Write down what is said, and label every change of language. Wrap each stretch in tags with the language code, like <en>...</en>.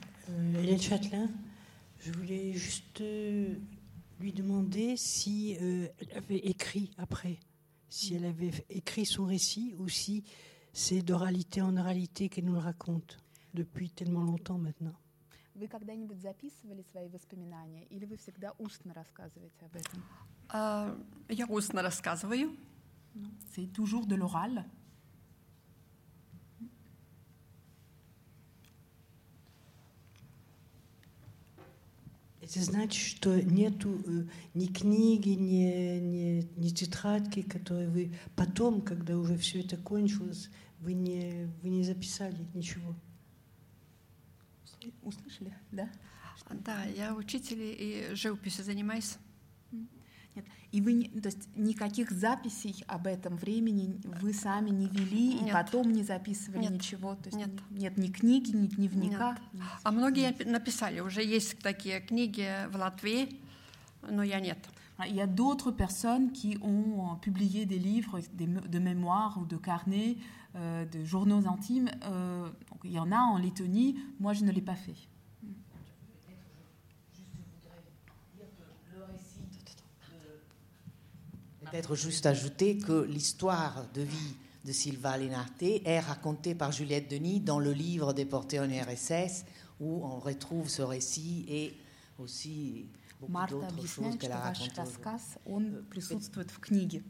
<fr>Hélène Châtelain, je voulais juste lui demander si elle avait écrit après, si elle avait écrit son récit ou si c'est d'oralité en oralité qu'elle nous le raconte depuis tellement longtemps maintenant.</fr> <ru>Вы когда-нибудь записывали свои воспоминания или вы всегда устно рассказываете об этом? Я устно рассказываю.</ru> <fr>C'est toujours de l'oral.</fr> <ru>Это значит, что нету ни книги, ни тетрадки, которые вы потом, когда уже все это кончилось, вы не записали ничего. Услышали, да? Да, я учитель и живописью занимаюсь. Нет. И вы, то есть никаких записей об этом времени вы сами не вели, нет. И потом не записывали нет. Ничего? То есть нет. Нет ни книги, ни дневника? Нет. А многие написали. Уже есть такие книги в Латвии, но я нет.</ru> <fr>Il y a d'autres personnes qui ont publié des livres, de mémoires ou de carnets, de journaux intimes. Donc, il y en a en Lettonie. Moi, je ne l'ai pas fait. Peut-être juste ajouter que l'histoire de vie de Sylvain Linarté est racontée par Juliette Denis dans le livre Déporté en URSS, où on retrouve ce récit et aussi...</fr> <ru>Марта объясняет, что ваш рассказ, он присутствует в книге.</ru>